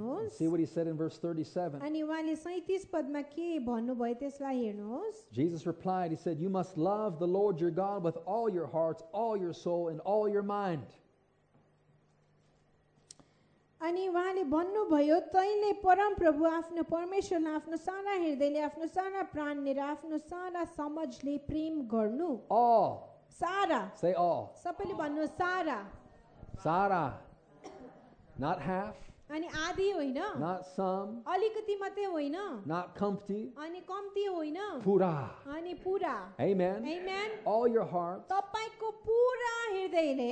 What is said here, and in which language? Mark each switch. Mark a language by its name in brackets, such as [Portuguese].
[English] See what he said in verse 37. Jesus replied, he said, you must love the Lord your God with all your heart, all your soul, and all your mind. [Nepali] अनि उहाँले भन्नुभयो तैले परम प्रभु आफ्नो परमेश्वरलाई आफ्नो सारा हृदयले आफ्नो सारा प्राणले र आफ्नो सारा समझले प्रेम गर्नु सारा [English] say all [Nepali] सबैले भन्नु सारा [English] सारा not half [Nepali] अनि आधी होइन [English] not some [Nepali] अलिकति मात्रै होइन [English] not कम्ती [Nepali] अनि कम्ती होइन पूरा अनि पूरा [English] amen amen all your heart [Nepali] तपाईको पूरा हृदयले